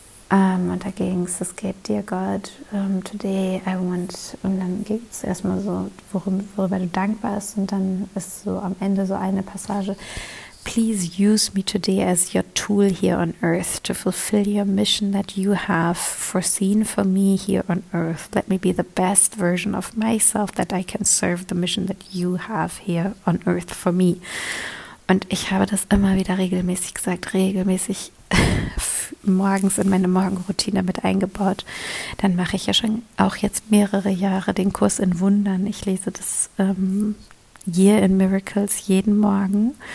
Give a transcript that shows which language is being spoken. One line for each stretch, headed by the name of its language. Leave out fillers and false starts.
German: an und da ging es, es geht dir Gott,
English: today I want,
German: und dann ging es erstmal so, worüber du dankbar bist und dann ist so am Ende so eine Passage,
English: please use me today as your tool here on earth
German: to fulfill your mission that you have foreseen for me here on earth.
English: Let me be the best version of myself that I can serve the mission that you have here on earth for me.
German: Und ich habe das immer wieder regelmäßig gesagt, regelmäßig morgens in meine Morgenroutine mit eingebaut. Dann mache ich ja schon auch jetzt mehrere Jahre den Kurs in Wundern. Ich lese das Year in Miracles jeden Morgen.